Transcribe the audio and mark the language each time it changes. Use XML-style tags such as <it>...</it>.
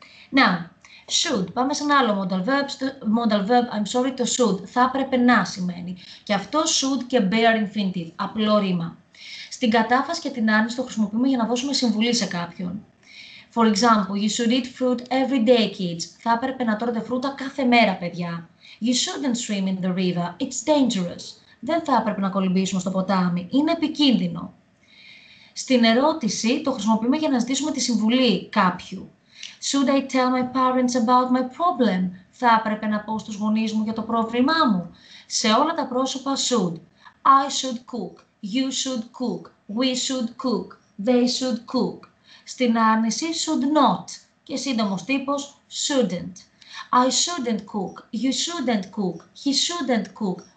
<el>Να, should. Πάμε σε ένα άλλο modal verb. Modal verb,</el> <en>I'm sorry,</en> <el>το should. Θα έπρεπε να σημαίνει. Και αυτό should και bare infinitive. Απλό ρήμα. Στην κατάφαση και την άρνηση το χρησιμοποιούμε για να δώσουμε συμβουλή σε κάποιον.</el> <en>For example, you should eat fruit every day, kids.</en> <el>Θα έπρεπε να τρώτε φρούτα κάθε μέρα, παιδιά.</el> <en>You shouldn't swim in the river. It's dangerous.</en> <el>Δεν θα έπρεπε να κολυμπήσουμε στο ποτάμι. Είναι επικίνδυνο. Στην ερώτηση, το χρησιμοποιούμε για να ζητήσουμε τη συμβουλή κάποιου.</el> <en>Should I tell my parents about my problem?</en> <el>Θα έπρεπε να πω στους γονείς μου για το πρόβλημά μου. Σε όλα τα πρόσωπα, should.</el> <en>I should cook. You should cook. We should cook. They should cook.</en> <el>Στην άρνηση, should not. Και σύντομος τύπος, shouldn't.</el> <en>I shouldn't cook. You shouldn't cook. He shouldn't cook.</en>